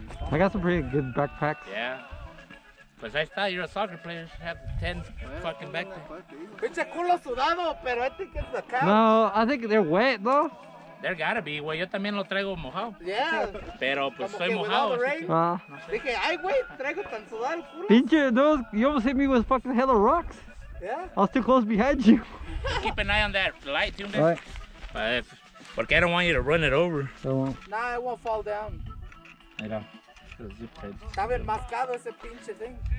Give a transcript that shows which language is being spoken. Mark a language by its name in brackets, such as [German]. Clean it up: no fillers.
[English] I got some pretty good backpacks. Yeah. [Spanish] Pues ahí está, [English] you're a soccer player, you have 10 fucking backpacks. [Spanish] Pinche culo sudado, pero este que es acá. [English] No, I think they're wet, though. They gotta be, [Spanish] güey. Yo también lo traigo mojado. [English] Yeah. [Spanish] Pero pues como soy mojado. Dije, ay, güey, traigo tan sudado, culo. [English] Pinche, you almost hit me with fucking hella rocks. Yeah. I was too close behind you. Keep an eye on that light, tune in. Right. [Spanish] Porque [English] I don't want you to run it over. Nah, it won't fall down. [Spanish] Mira. Estaba enmascado ese pinche thing.